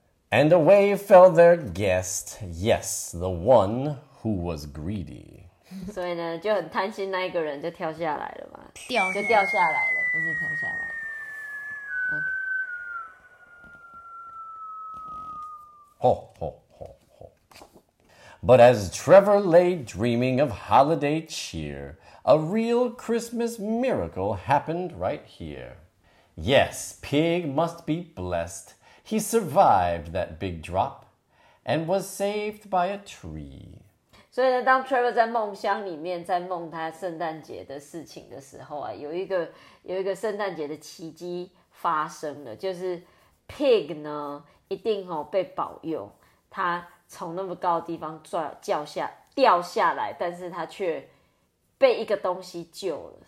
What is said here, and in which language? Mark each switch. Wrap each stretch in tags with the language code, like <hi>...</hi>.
<en>And away fell their guest, yes, the one who was greedy.</en> <zh>所以呢，就很贪心那一个人就跳下来了嘛，掉下来了，不是跳下来。</zh> <en>吼吼吼吼！But as Trevor lay dreaming of holiday cheer, a real Christmas miracle happened right here. Yes, Pig must be blessed. He survived that big drop and was saved by a tree.</en> <zh>所以呢，当 Trevor 在梦乡里面在梦他圣诞节的事情的时候啊，有一个圣诞节的奇迹发生了，就是 Pig 呢一定哦被保佑，他从那么高的地方掉下来，但是他却被一个东西救了。</zh>